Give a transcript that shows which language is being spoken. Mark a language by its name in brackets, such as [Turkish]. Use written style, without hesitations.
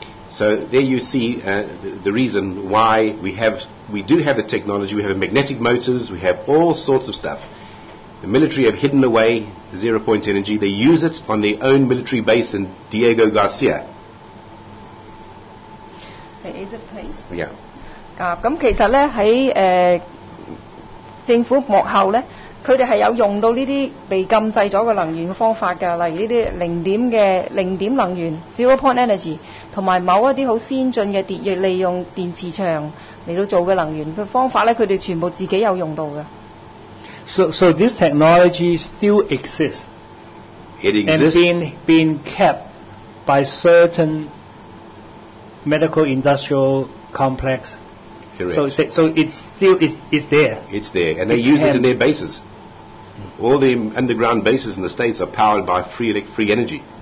[English] So there you see the reason why we do have the technology. We have magnetic motors. We have all sorts of stuff. The military have hidden away zero point energy. They use it on their own military base in Diego Garcia. Is it place? Yeah. [Cantonese] 咁其實咧喺政府幕後咧，佢哋係有用到呢啲被禁制咗嘅能源嘅方法嘅，例如呢啲零點能源 （zero point energy） 同埋某一啲好先進嘅電，利用電磁場嚟到做嘅能源嘅方法咧，佢哋全部自己有用到嘅。 [English] So this technology still exists. It exists and being kept by certain medical industrial complex. Correct. So it's there. It's there, and they use it in their bases. All the underground bases in the states are powered by free energy.